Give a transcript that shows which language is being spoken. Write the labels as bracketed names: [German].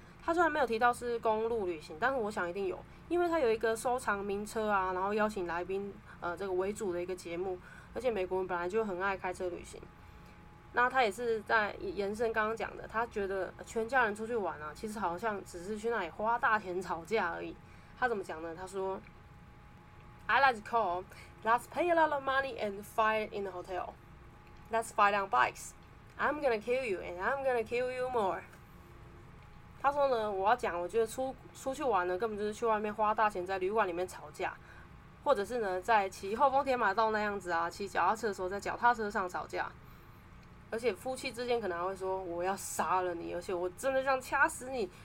[Chinese] 他虽然没有提到是公路旅行，但是我想一定有，因为他有一个收藏名车啊，然后邀请来宾这个为主的一个节目，而且美国人本来就很爱开车旅行。那他也是在延伸刚刚讲的，他觉得全家人出去玩啊，其实好像只是去那里花大钱吵架而已。他怎么讲呢？他说 [English] I like to call。 Let's pay a lot of money and fight in the hotel. Let's fight on bikes. I'm gonna kill you and I'm gonna kill you more. [Chinese] 他说呢，我要讲，我觉得出去玩呢，根本就是去外面花大钱，在旅馆里面吵架，或者是呢，在骑后风天马道那样子啊，骑脚踏车的时候在脚踏车上吵架，而且夫妻之间可能还会说我要杀了你，而且我真的想掐死你。